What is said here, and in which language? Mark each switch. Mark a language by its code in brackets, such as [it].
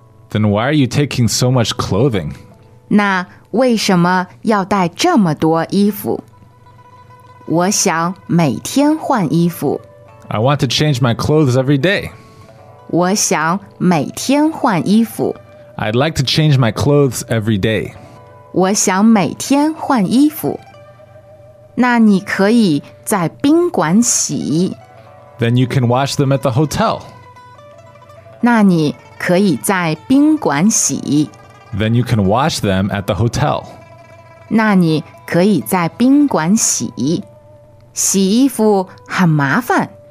[en] Then why are you taking so much clothing? [zh] 那为什么要带这么多衣服? 我想每天换衣服 [en] I want to change my clothes every day [zh] 我想每天换衣服 [en] I'd like to change my clothes every day [zh] 我想每天换衣服 那你可以在宾馆洗 [en] Then you can wash them at the hotel [zh] 那你可以在宾馆洗 [en] Then you can wash them at the hotel [zh] 那你可以在宾馆洗 洗衣服很麻烦